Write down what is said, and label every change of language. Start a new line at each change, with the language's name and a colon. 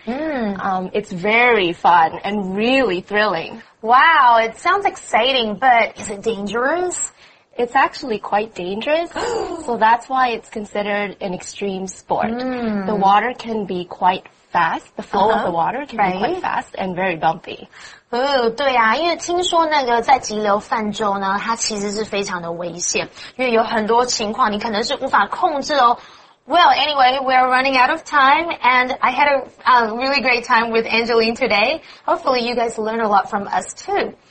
English: It's very fun and really thrilling. Wow, it sounds exciting, but is it dangerous? It's actually quite dangerous, so that's why it's considered an extreme sport. The water can be quite fast, the flow of the water can be quite fast and very bumpy.
Chinese: Oh, 对啊，因为听说那个在急流泛舟呢，它其实是非常的危险，因为有很多情况你可能是无法控制哦。
English: Well, anyway, we're running out of time, and I had a really great time with Angeline today. Hopefully you guys learned a lot from us too.